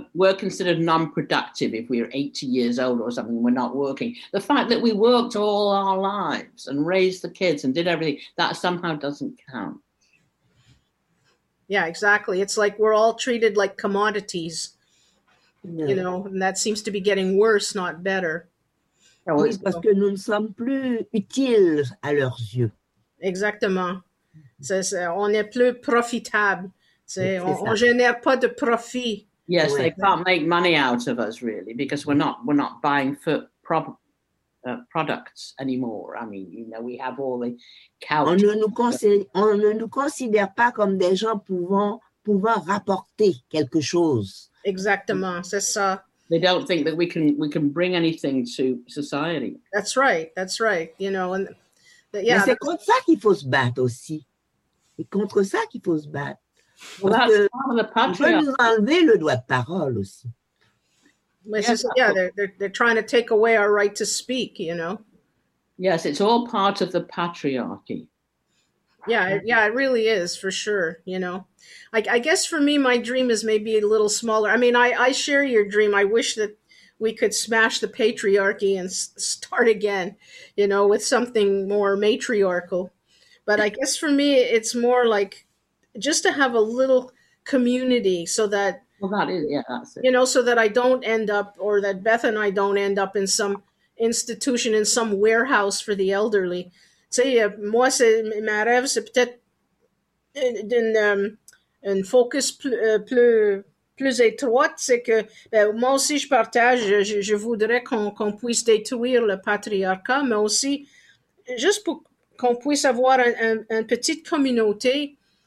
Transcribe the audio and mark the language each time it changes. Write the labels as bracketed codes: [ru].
[en] We're considered non-productive if we're 80 years old or something, we're not working. The fact that we worked all our lives and raised the kids and did everything, that somehow doesn't count. Yeah, exactly. It's like we're all treated like commodities, yeah. You know, and that seems to be getting worse, not better. [fr] Oui, parce que nous ne sommes plus utiles à leurs yeux. Exactement. C'est, on n'est plus profitable. On génère pas de profit. [en] Yes, they can't make money out of us, really, because we're not buying products anymore. I mean, you know, we have all the couches. [fr] On ne nous considère pas comme des gens pouvant rapporter quelque chose. Exactement, c'est ça. [en] They don't think that we can bring anything to society. That's right. You know, and yeah. [fr] Mais c'est contre ça qu'il faut se battre aussi. C'est contre ça qu'il faut se battre. [en] They're trying to take away our right to speak, you know. Yes, it's all part of the patriarchy. Yeah, it really is, for sure, you know. I guess for me, my dream is maybe a little smaller. I mean, I share your dream. I wish that we could smash the patriarchy and start again, you know, with something more matriarchal. But I guess for me, it's more like, just to have a little community so that I don't end up, or that Beth and I don't end up in some institution, in some warehouse for the elderly. [fr] Say, moi, c'est ma rêve, c'est peut-être un focus plus étroit, c'est que ben, moi aussi, je partage, je voudrais qu'on puisse détruire le patriarcat, mais aussi juste pour qu'on puisse avoir une petite communauté.